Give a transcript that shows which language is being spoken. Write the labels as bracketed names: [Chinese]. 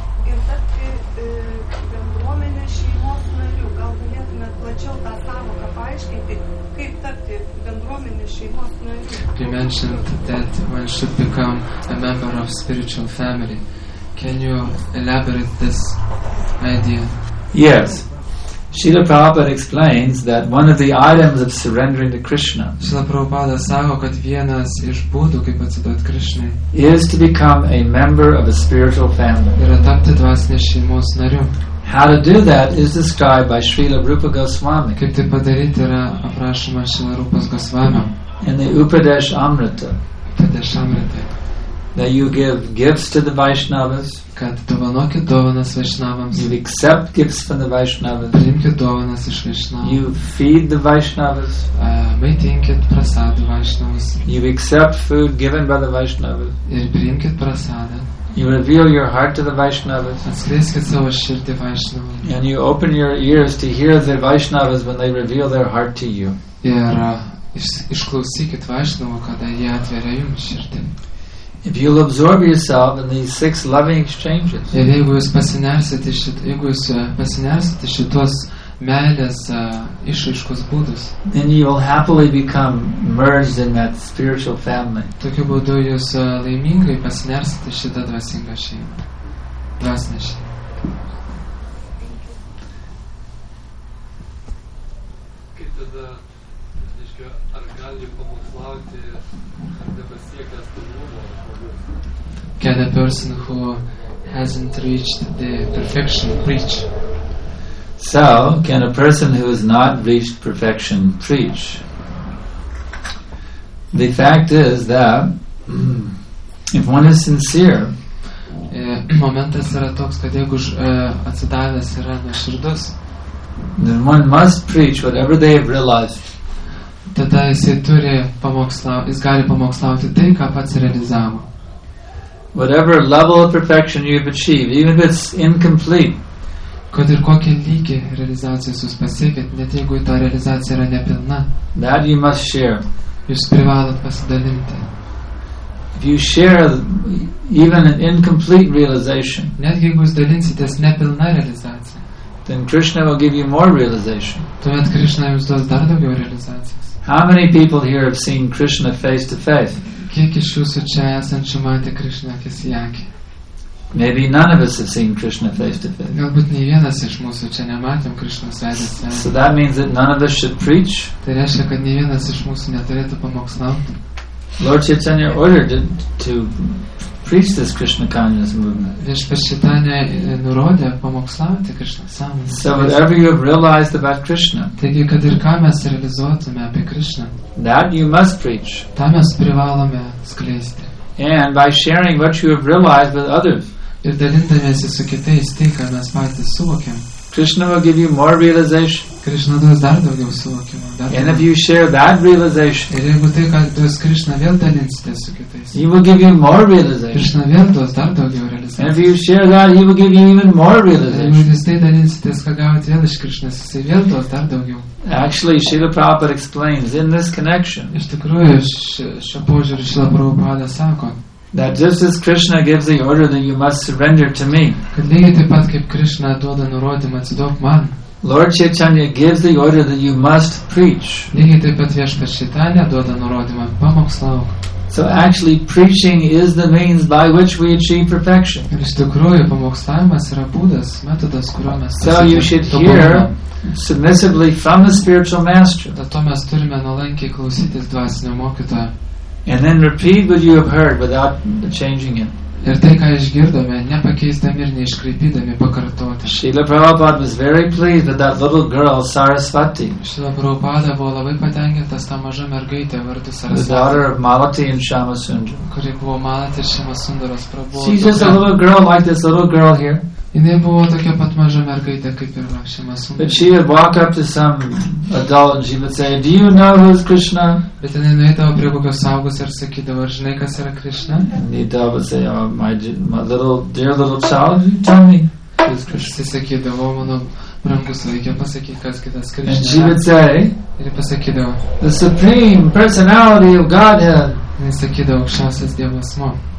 [Lithuanian] ir tapti bendruomenės šeimos nariu. Gal galėtumėt plačiau tą sąvoką paaiškinti, kaip tapti bendruomenės šeimos nariu. [English] You mentioned that one should become a member of spiritual family. Can you elaborate this idea? Yes. Srila Prabhupada explains that one of the items of surrendering to Krishna. [Lithuanian] Srila Prabhupada sako, kad vienas iš būdų, kaip atsiduot Krishnai, [English] is to become a member of a spiritual family. [Lithuanian] Yra tapti dvasinės šeimos nariu. [English] How to do that is described by Srila Rupa Goswami. [Lithuanian] Kaip tai padaryti yra aprašoma Srila Rupas Goswami. [English] In the Upadesh Amrita. [Lithuanian] Upadesh Amrita. [English] That you give gifts to the Vaishnavas, [Lithuanian] kad dovanokit dovanas Vaishnavams. [English] You accept gifts from the Vaishnavas, [Lithuanian] priimkit dovanas iš Vaishnavų. [English] You feed the Vaishnavas, [Lithuanian] maitinkit prasadą Vaishnavas. [English] You accept food given by the Vaishnavas, [Lithuanian] ir priimkit prasadą. [English] You reveal your heart to the Vaishnavas, [Lithuanian] atskleiskit savo širdį Vaishnavams. [English] And you open your ears to hear the Vaishnavas when they reveal their heart to you. [Lithuanian] Ir išklausykit Vaishnavų, kada jie atveria jums širdį. [English] If you'll absorb yourself in these six loving exchanges, [Lithuanian] ir jeigu jūs pasinersite šituos meilės išraiškos būdus, [English] then you will happily become merged in that spiritual family. [Lithuanian] Tokiu būdu jūs laimingai pasinersite šitą dvasingą šeimą. Dvasinę šeimą. [English] Can a person who hasn't reached the perfection preach? So, can a person who has not reached perfection preach? The fact is that if one is sincere, [Lithuanian] momentas yra toks, kad jeigu atsidavęs yra nuoširdus, [English] then one must preach whatever they have realized. [Lithuanian] Tada jis gali pamokslauti tai, ką pats realizavo. [English] Whatever level of perfection you have achieved, even if it's incomplete, [Lithuanian] kad ir kokį lygį realizacijos jūs pasiekėt, net jeigu ta realizacija yra nepilna, [English] that you must share. [Lithuanian] Jūs privalot pasidalinti. [English] If you share even an incomplete realization, [Lithuanian] net jeigu jūs dalinsitės nepilna realizacija, [English] then Krishna will give you more realization. [Lithuanian] Tuomet Krishna jums duos dar daugiau realizacijos. [English] How many people here have seen Krishna face to face? [Lithuanian] Kiek iš jūsų čia esančių matė Krishna akis į akį? [English] Maybe none of us have seen Krishna face to face. [Lithuanian] Galbūt nei vienas iš mūsų čia nematėm Krishnos veidą. [English] So that means that none of us should preach. [Lithuanian] Tai reiškia, kad nei vienas iš mūsų neturėtų pamokslauti. [English] Lord Chaitanya ordered to preach this Krishna consciousness movement. [Lithuanian] Viešpats Chaitanya nurodė pamokslauti Krishna sąmonę. [English] So whatever you have realized about Krishna, [Lithuanian] taigi kad ir ką mes realizuotume apie Krishna, [English] that you must preach. [Lithuanian] Tą mes privalome skleisti. [English] And by sharing what you have realized with others, [Lithuanian] ir dalindamiesi su kitais tai, ką mes patys suvokėm, [English] Krishna will give you more realization. [Lithuanian] Krishna duos dar daugiau suvokimo. [English] And if you share that realization, [Lithuanian] ir jeigu tai, kad duos Krishna vėl dalinsitės su kitais, [English] he will give you more realization. [Lithuanian] Krishna vėl duos dar daugiau realizacijos. [English] And if you share that, he will give you even more realization. [Lithuanian] Jeigu jūs tai dalinsitės, ką gavot vėl iš Krishnas, jis vėl duos dar daugiau. [English] Actually, Srila Prabhupada explains in this connection, [Lithuanian] iš tikrųjų, šio požiūrį Srila Prabhupada sako, [English] that just as Krishna gives the order that you must surrender to me, [Lithuanian] kad lygiai taip pat kaip Krishna duoda nurodymą atsiduok man, [English] Lord Chaitanya gives the order that you must preach, [Lithuanian] lygiai taip pat viešpats Chaitanya duoda nurodymą pamokslauk. [English] So actually preaching is the means by which we achieve perfection. [Lithuanian] Ir iš tikrųjų pamokslavimas yra būdas, metodas, kuriuo mes pasiekiam. [English] So you should hear submissively from the spiritual master. [Lithuanian] Dėl to mes turime nuolankiai klausytis dvasinio mokytojo. [English] And then repeat what you have heard without changing it. [Lithuanian] Ir tai, ką išgirdome, nepakeisdami ir neiškraipydami, pakartoti. [English] Srila Prabhupada was very pleased with that little girl, Sarasvati. [Lithuanian] Srila Prabhupada buvo labai patenkintas tą mažą mergaitę vardu Sarasvati. [English] The daughter of Malati and Shyamasundara. [Lithuanian] Kuri buvo Malati ir Shyamasundaras Prabhu. [English] She's just a little girl like this little girl here. [Lithuanian] Jinai buvo tokia pat maža mergaitė, kaip ir Shyamasundara. [English] But she would walk up to some adult and she would say, do you know who is Krishna? [Lithuanian] Bet jinai nuėdavo prie kokio saugus ir sakydavo, ar žinai, kas yra Krishna? [English] And the adult would say, oh, my dear little child, you tell me. [Lithuanian] Jis kažkas įsakydavo, mano brangus vaikė, pasakyk, kas kitas Krishna. [English] And she would say, [Lithuanian] ir pasakydavo, [English] the supreme personality of Godhead. [Lithuanian] Jis sakydavo, aukščiausias Dievo asmuo.